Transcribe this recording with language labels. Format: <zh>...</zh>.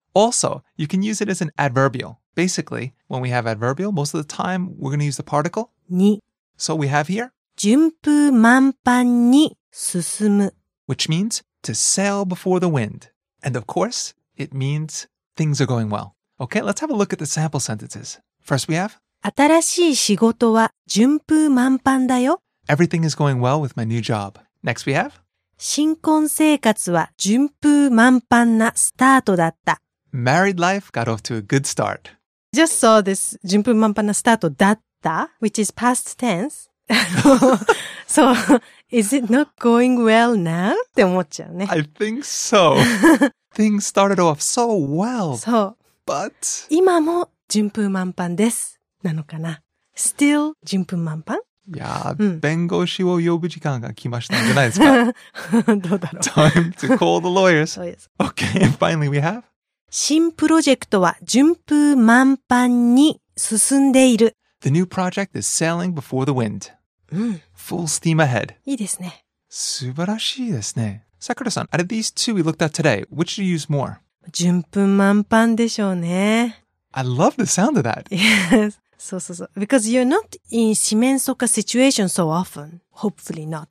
<en>Also, you can use it as an adverbial. Basically, when we have adverbial, most of the time, we're going to use the particle.</en> <ja>に。</ja> <en>So we have here?</en> <ja>順風満帆に進む。</ja> <en>Which means to sail before the wind. And of course, it means things are going well. Okay, let's have a look at the sample sentences. First we have?</en> <ja>新しい仕事は順風満帆だよ。</ja> <en>Everything is going well with my new job. Next we have?</en> <ja>新婚生活は順風満帆なスタートだった。</ja> <en>Married life got off to a good start. Just saw this</en> <ja>順風満帆なスタートだった,</ja> <en>which is past tense. So, is it not going well now?</en> <ja>って思っちゃうね。</ja> <en>I think so. Things started off so well. So, but...</en> <ja>今も順風満帆です。なのかな?Still 順風満帆? いや、弁護士を呼ぶ時間が来ましたんじゃないですか? どうだろう?</ja> <en>Time to call the lawyers.</en> <ja>そうです。</ja> <en>Okay, and finally we have?</en> <ja>新プロジェクトは順風満帆に進んでいる。</ja> <en>The new project is sailing before the wind. Full steam ahead.</en> <ja>いいですね。素晴らしいですね。</ja> <en>Sakura-san, out of these two we looked at today, which do you use more?</en> <ja>順風満帆でしょうね。</ja> <en>I love the sound of that. Yes. So. Because you're not in 四面楚歌 situation so often. Hopefully not.</en>